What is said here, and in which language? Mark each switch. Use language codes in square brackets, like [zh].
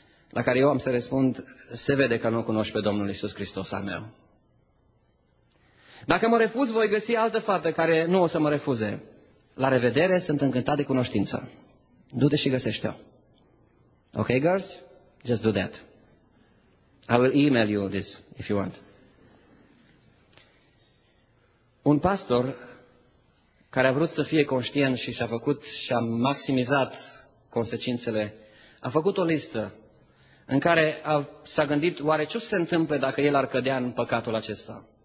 [ro] La care eu am să răspund, se vede că nu cunoști pe Domnul Iisus Hristos al meu. Dacă mă refuz, voi găsi altă fată care nu o să mă refuze. La revedere, sunt încântat de cunoștință. Du-te și găsește-o. [en] Ok, girls? Just do that. I will email you this, if you want. [ro] Un pastor care a vrut să fie conștient și și-a maximizat consecințele, a făcut o listă în care s-a gândit oare ce se întâmplă dacă el ar cădea în păcatul acesta.